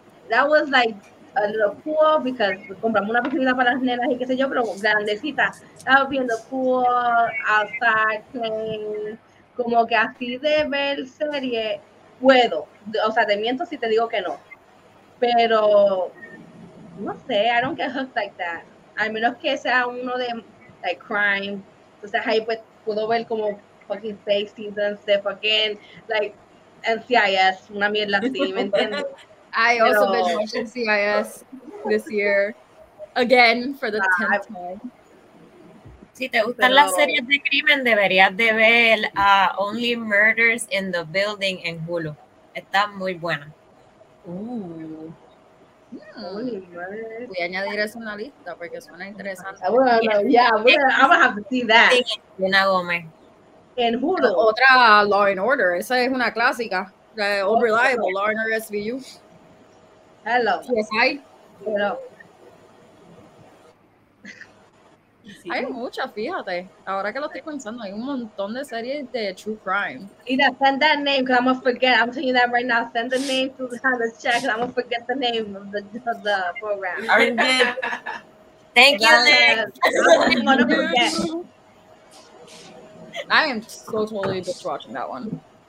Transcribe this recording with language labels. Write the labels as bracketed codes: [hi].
[en] That was like a little pool because [es] compramos una piscina para las nenas y qué sé yo, pero grandecita. Estaba viendo pool, [en] outside playing, [es] como que así de ver serie puedo. O sea, te miento si te digo que no. Pero No sé, [en] I don't get hooked like that. [es] Al menos que sea uno de, like, crime. Entonces ahí pues pudo ver como fucking Six Seasons, de fucking, like, NCIS, una mierda así, ¿me entiendes? [en] I also been watching CIS this year, again, for the 10th time. [es] Si te gustan las series de crimen, deberías de ver Only Murders in the Building en Hulu. Está muy buena. Voy a añadir eso a una lista porque suena interesante. [en] I'm gonna have to see that. [es] Elena Gómez. En Hulu. Otra Law and Order. Esa es una clásica. Unreliable. Law and Order SVU. [en] Hello. Yes, hi. Hello. [es] Sí. Hay muchas, fíjate. Ahora que lo estoy pensando, hay un montón de series de true crime. [en] Ida, send that name, because I'm going to forget. I'm telling you that right now. Send the name to the chat, because I'm going to forget the name of the program. All right, good. Thank you, Nick. I am so totally just watching that one.